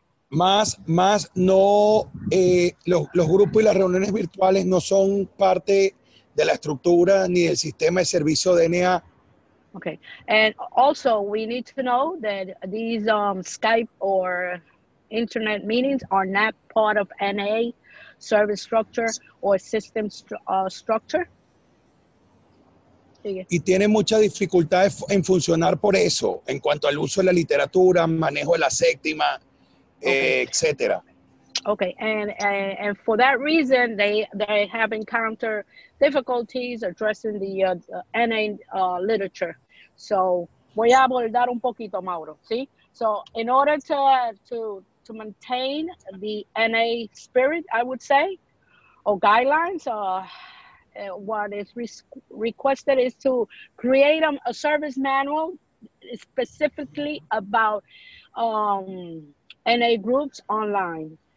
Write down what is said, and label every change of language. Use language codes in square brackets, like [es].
[es] Más no, los grupos y las reuniones virtuales no son parte de la estructura ni del sistema de servicio de NA. [en] Okay. And also we need to know that these Skype or internet meetings are not part of NA service structure or system structure. [es] Y tiene muchas dificultades en funcionar por eso, en cuanto al uso de la literatura, manejo de la séptima, etc. [en] Okay, and for that reason, they have encountered difficulties addressing the NA literature. [es] So, voy a abordar un poquito, Mauro, ¿sí? [en] So, in order to maintain the NA spirit, I would say, or guidelines, what is requested is to create a service manual specifically about NA groups online.